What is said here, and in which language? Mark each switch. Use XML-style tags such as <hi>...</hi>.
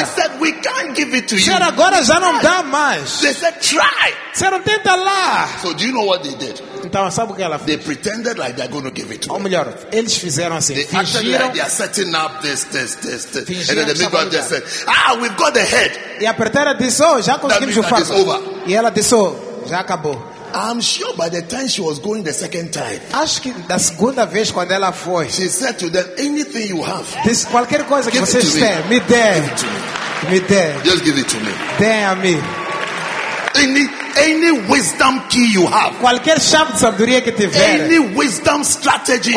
<en>They said we can't give it to you.</en> <pt>Disseram, agora já não dá mais.</pt> <en>They said try.</en> <pt>Disseram, tenta lá.</pt> <en>So do you know what they did?</en> <pt>Então, sabe o que ela fez?</pt> <en>They pretended like they're going to give it to</en> <pt>ou melhor,</pt> <en>them.</en> <pt>Eles fizeram assim.</pt> <en>They</en> <pt>fingiram.</pt> <en>Like they are setting up this. And then the midwife just said, ah, we've got the head.</en> <pt>E a parteira disse, oh, já conseguimos o fato. E ela disse, oh, já acabou.</pt> <en>I'm sure by the time she was going the second time.</en> <pt>Acho que da segunda vez quando ela foi.</pt> <en>She said to them, anything you have.</en> <pt>Diz qualquer coisa que vocês têm, me dê.</pt> <en>Give it to me. Just give it to me.</en> <pt>Dê a mim.</pt> <en>Any wisdom key you have.</en> <pt>Qualquer chave de sabedoria que tiver.</pt> <en>Any wisdom strategy you</en>